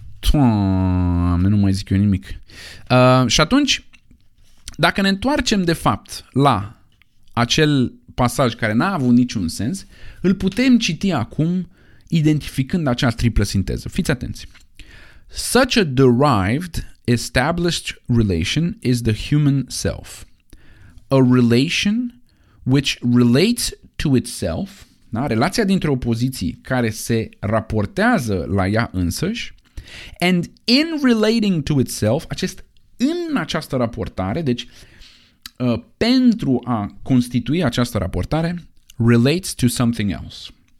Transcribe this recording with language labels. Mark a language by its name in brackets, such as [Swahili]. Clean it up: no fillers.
[Romanian] Doamne, nu mai zic eu nimic. Și atunci, dacă ne întoarcem de fapt la acel pasaj care n-a avut niciun sens, îl putem citi acum identificând acea triplă sinteză. Fiți atenți. [English] Such a derived, established relation is the human self. A relation which relates to itself, da? [Romanian] Relația dintre opoziții care se raportează la ea însăși, [English] and in relating to itself, [Romanian] în această raportare, deci pentru a constitui această raportare, [English] relates to something else.